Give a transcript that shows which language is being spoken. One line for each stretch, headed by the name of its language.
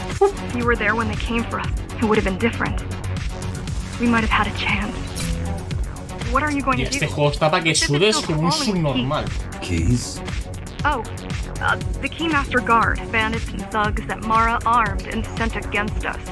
English: If you were there when they came for us, it would have been different. We might have had a chance. What are you going to do?
Spanish: Este juego está para que sudes como un subnormal.
English: Keys? Oh, the Keymaster Guard, bandits and thugs that Mara armed and sent against us.